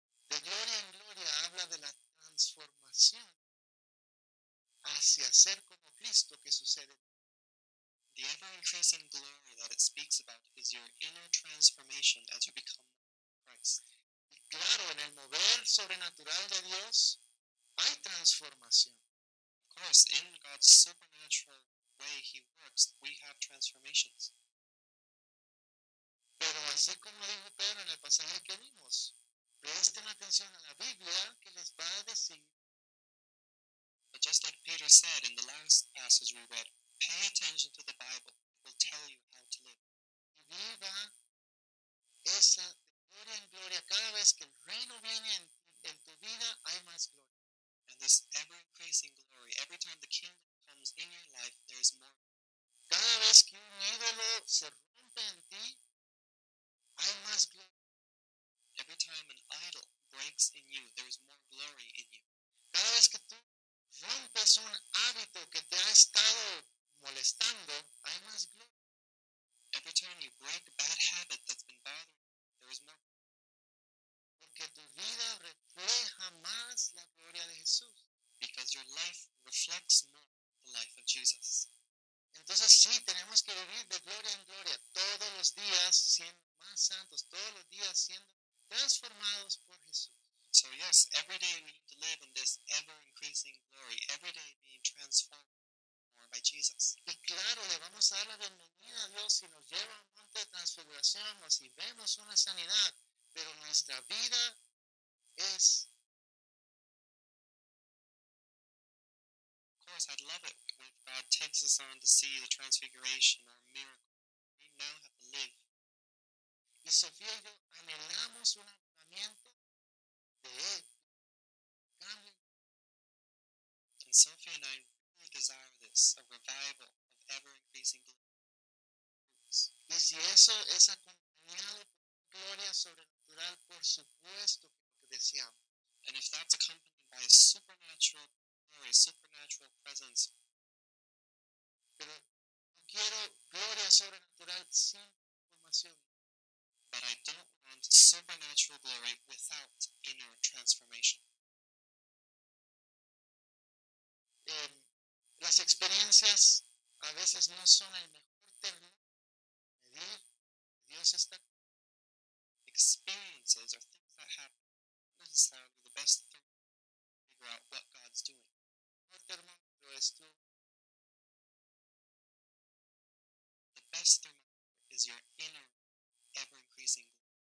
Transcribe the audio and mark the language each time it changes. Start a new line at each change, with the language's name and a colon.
Spanish: De gloria en gloria habla de la transformación hacia ser como Cristo que sucede.
English: The ever-increasing glory that it speaks about is your inner transformation as you become Christ.
Spanish: Y claro, en el mover sobrenatural de Dios hay transformación.
English: Of course, in God's supernatural way he works, we have transformations.
Spanish: Pero así como dijo Pedro en el pasaje que vimos, presten atención a la Biblia que les va a decir.
English: But just like Peter said in the last passage we read, pay attention to the Bible. It will tell you how to live.
Spanish: Y viva esa gloria en gloria. Cada vez que el reino viene en tu vida, hay más gloria.
English: And this ever-increasing glory, every time the kingdom comes in your life, there is more.
Spanish: Cada vez que un ídolo se rompe en ti, hay más gloria.
English: Every time an idol breaks in you. There's more glory in you.
Spanish: Cada vez que tú rompes un hábito que te ha estado molestando, hay más gloria.
English: Every time you break a bad habit that's been bothering you, there is more glory.
Spanish: Porque tu vida refleja más la gloria de Jesús.
English: Because your life reflects more the life of Jesus.
Spanish: Entonces sí, tenemos que vivir de gloria en gloria, todos los días siendo más santos, todos los días siendo transformados por Jesús.
English: So yes, every day we need to live in this ever-increasing glory, every day being transformed more by Jesus.
Spanish: Y claro, le vamos a dar la bienvenida a Dios si nos lleva a un monte de transfiguración o si vemos una sanidad, pero nuestra vida es...
English: I'd love it when God takes us on to see the transfiguration or miracle. We now have to live.
Spanish: Y Sofía y yo anhelamos un avivamiento de cambio.
English: And Sophie and I really desire this, a revival of ever-increasing glory.
Spanish: Y si eso es acompañado por gloria sobrenatural, por supuesto, que deseamos.
English: And if that's accompanied by a supernatural glory, supernatural presence.
Spanish: Pero no quiero gloria sobrenatural sin transformación.
English: But I don't want supernatural glory without inner transformation.
Spanish: Las experiencias a veces no son el mejor término. Medir, Dios está.
English: Experiences are things that happen, not necessarily the best thing to figure out what God's doing. The best thermometer is your inner, ever-increasing glory.